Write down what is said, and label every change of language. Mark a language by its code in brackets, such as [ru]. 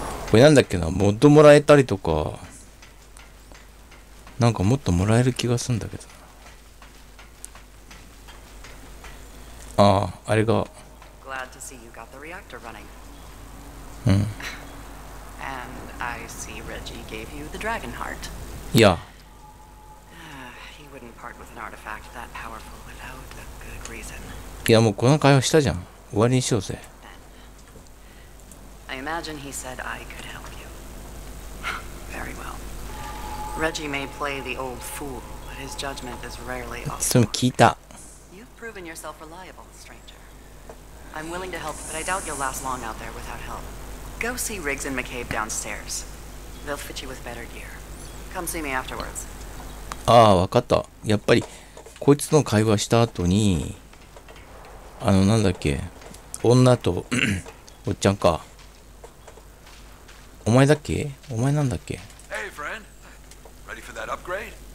[ja] これなんだっけな、モッドもらえたりとか、なんかもっともらえる気がするんだけど。ああ、あれが。 [en] Glad to see you got the reactor running. [ja] うん。 [en] And I see Reggie gave you the dragon heart. Yeah. He wouldn't part with an artifact that powerful without a good reason. [ja] いや、もうこの会話したじゃん。終わりにしようぜ。 [en] I imagine he said I could help you. Very well. Reggie may play the old fool, but his judgment is rarely off. [ja] それも聞いた。 [en] Proven yourself reliable, stranger. I'm willing to help, but I doubt you'll last long out there without help. Go see Riggs and McCabe downstairs. They'll fit you with better gear. Come see me afterwards. [ja] ああ、わかった。やっぱりこいつの会話した後に、なんだっけ、女とおっちゃんか。お前だっけ？お前なんだっけ？ [en] Hey, friend. Ready for that upgrade?